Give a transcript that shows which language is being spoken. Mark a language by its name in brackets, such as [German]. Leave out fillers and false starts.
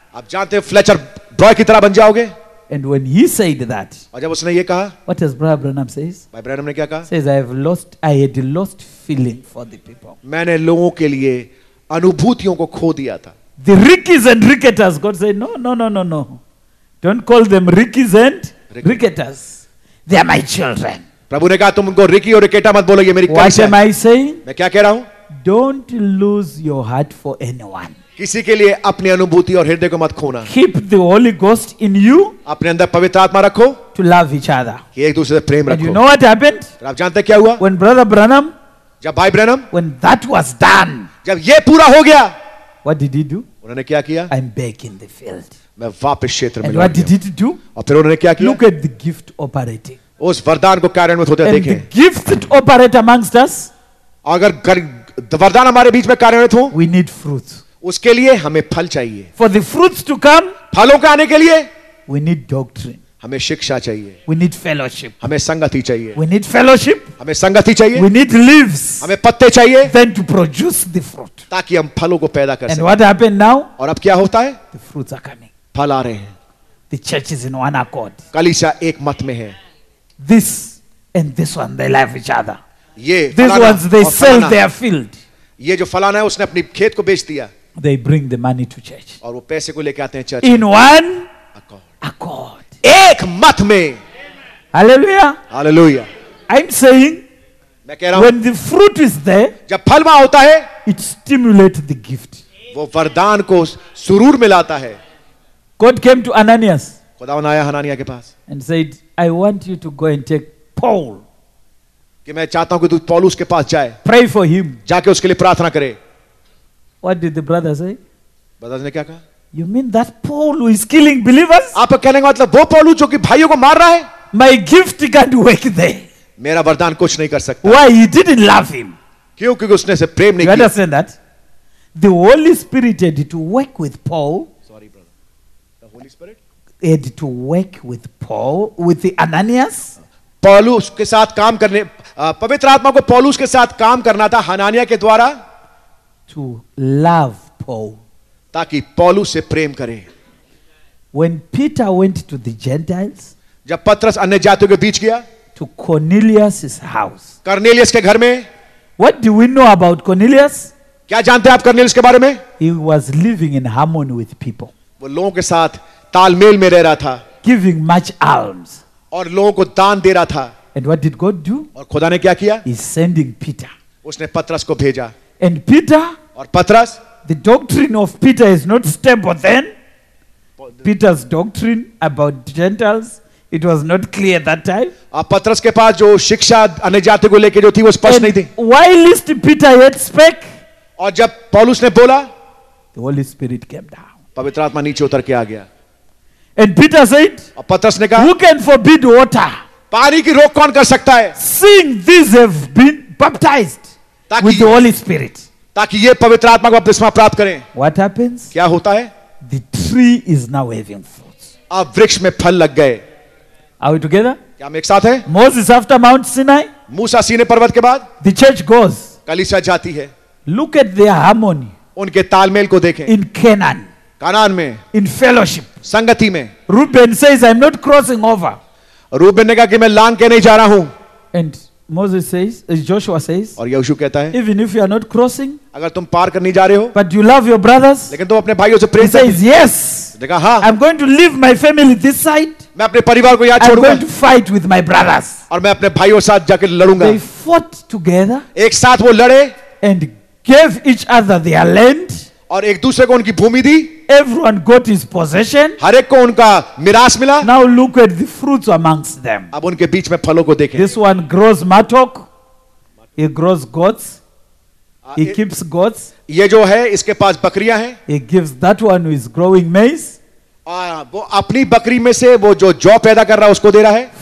[Hindi] आप जानते हैं Fletcher Boy की तरह बन जाओगे? [English] And when he said that, [Hindi] और जब उसने ये कहा, [English] what does Brother Branham says? [Hindi] भाई ब्रैनम ने क्या कहा? [English] Says I had lost feeling for the people. [Hindi] मैंने लोगों के लिए अनुभूतियों को खो दिया था. [English] the Rickies and Ricketers. God said, no. Don't call them Rickies and Ricketers. They are my children. [Hindi] प्रभु ने कहा तुम उनको रिकी और रिकेटा मत बोलो ये मेरी कलीसिया है। [English] What am I saying? [Hindi] मैं क्या कह रहा हूँ? [English] Don't lose your heart for anyone. [Hindi] किसी के लिए अपनी अनुभूति और हृदय को मत खोना। [English] Keep the Holy Ghost in you. [Hindi] अपने अंदर पवित्र आत्मा रखो। [English] To love each other. [Hindi] कि एक दूसरे से प्रेम रखो। [English] And you know what happened? [Hindi] आप जानते क्या हुआ? [English] When Brother Branham, [Hindi] जब भाई Branham, [English] when that was done, [Hindi] जब ये पूरा हो गया, [English] what did he do? [Hindi] उन्होंने क्या किया? [English] I'm back in the field. [Hindi] मैं वापस क्षेत्र में लौट गया। [English] And what did he do? [Hindi] और फिर उन्होंने क्या किया? [English] Look at the gift operating. [Hindi] उस वरदान को कार्यान्वित होते देखें। [English] And the gifts that operate amongst us, [Hindi] अगर वरदान हमारे बीच में कार्यान्वित हो, [English] we need fruits. [Hindi] उसके लिए हमें फल चाहिए। [English] For the fruits to come, [Hindi] फलों के आने के लिए, [English] we need doctrine. [Hindi] हमें शिक्षा चाहिए। [English] We need fellowship. [Hindi] हमें संगति चाहिए। [English] We need fellowship. [Hindi] हमें संगति चाहिए। [English] We need leaves. [Hindi] हमें पत्ते चाहिए। [English] Then to produce the fruit. [Hindi] ताकि हम फलों को पैदा कर सकें। [English] And what happened now? [Hindi] और अब क्या होता है? [English] The fruits are coming. [Hindi] फल आ रहे हैं। [English] The church is in one accord. [Hindi] कलीसिया एक मत में है। [English] This and this one, they love each other. [Hindi] ये [English] this ones, they sell their field. [Hindi] ये जो फलाना है, उसने अपनी खेत को बेच दिया. [English] They bring the money to church. [Hindi] और वो पैसे को लेके आते हैं चर्च. [English] In one accord. [Hindi] एक मत में. [English] Hallelujah. [Hindi] Hallelujah. [English] I'm saying, [Hindi] मैं कह रहा हूं, [English] when the fruit is there, [Hindi] जब फल वहां होता है, [English] it stimulates the gift. [Hindi] वो वरदान को सुरूर मिलाता है. [English] God came to Ananias. [Hindi] खुदावन आया हनानिया के पास. [English] And said, I want you to go and take Paul. [Hindi] कि मैं चाहता हूं कि तू पौलुस के पास जाए. [English] Pray for him. [Hindi] जाके उसके लिए प्रार्थना करे. [English] What did the brother say? [Hindi] Brothers ने क्या कहा? [English] You mean that Paul who is killing believers? [Hindi] आप कहने का मतलब वो पौलुस जो कि भाइयों को मार रहा है? [English] My gift can't work there. [Hindi] मेरा वरदान कुछ नहीं कर सकता. [English] Why he didn't love him? [Hindi] क्योंकि उसने से प्रेम नहीं किया. [English] You understand that? The Holy Spirit had to work with Paul. Sorry, brother. The Holy Spirit? Had to work with Paul, with the Ananias. [Hindi] Paulus के साथ काम करने पवित्र आत्मा को Paulus के साथ काम करना था हनानिया के द्वारा. [English] To love Paul. [Hindi] ताकि Paulus से प्रेम करें. [English] When Peter went to the Gentiles. [Hindi] जब पत्रस अन्य जातियों के बीच गया. [English] To Cornelius's house. [Hindi] Cornelius के घर में. [English] What do we know about Cornelius? [Hindi] क्या जानते हैं आप Cornelius के बारे में? [English] He was living in harmony with people. [Hindi] वो लोगों के साथ तालमेल में रह रहा था. [English] Giving much alms. [Hindi] और लोगों को दान दे रहा था. [English] And what did God do? [Hindi] और खुदा ने क्या किया? [English] He's sending Peter. [Hindi] उसने पत्रस को भेजा. [English] And Peter? [Hindi] और पत्रस? [English] The doctrine of Peter is not stable then. Peter's doctrine about Gentiles, it was not clear that time. [Hindi] और पत्रस के पास जो शिक्षा अन्य जाति को लेकर जो थी वो स्पष्ट नहीं थी. [English] While Peter yet spake, [Hindi] और जब पौलुस ने बोला, [English] the Holy Spirit came down. [Hindi] पवित्र आत्मा नीचे उतर के आ गया. [English] And Peter said, [Hindi] पत्रस ने कहा, [English] who can forbid water? [Hindi] पानी की रोक कौन कर सकता है? [English] Seeing these have been baptized with the Holy Spirit. [Hindi] ताकि ये पवित्र आत्मा को बपतिस्मा प्राप्त करें. [English] What happens? [Hindi] क्या होता है? [English] The tree is now having fruits. [Hindi] अब वृक्ष में फल लग गए. [English] Are we together? [Hindi] क्या हम एक साथ हैं? [English] Moses after Mount Sinai. [Hindi] मूसा सीनै पर्वत के बाद. [English] The church goes. [Hindi] कलीसिया जाती है. [English] Look at their harmony. [Hindi] उनके तालमेल को देखें. [English] In Canaan. [Hindi] कानान में. [English] In fellowship. [Hindi] संगति में. [English] Reuben says, I'm not crossing over. [Hindi] Reuben ने कहा कि मैं लांग के नहीं जा रहा हूं. [English] And Moses says, Joshua says, [Hindi] और यहोशू कहता है, [English] even if you are not crossing, [Hindi] अगर तुम पार कर नहीं जा रहे हो, [English] but you love your brothers, [Hindi] लेकिन तुम अपने भाइयों से प्रेम करते हो. [English] Yes. [Hindi] देखा हाँ. [English] I'm going to leave my family this side. [Hindi] मैं अपने परिवार को यहाँ छोड़ूंगा. [English] I'm going to fight with my brothers. [Hindi] और मैं अपने भाइयों साथ जाकर लड़ूंगा. [English] They fought together. [Hindi] एक साथ वो लड़े. [English] And gave each other their land. [Hindi] और एक दूसरे को उनकी भूमि दी. [English] Everyone got his possession. [Hindi] हर एक को उनका मिरास मिला. [English] Now look at the fruits amongst them. [Hindi] अब उनके बीच में फलों को देखें. [English] This one grows mattock. He grows goats. He keeps goats. [Hindi] ये जो है इसके पास बकरियां हैं. [English] He gives that one who is growing maize. [Hindi] और वो अपनी बकरी में से वो जो जौ पैदा कर रहा है उसको दे रहा है.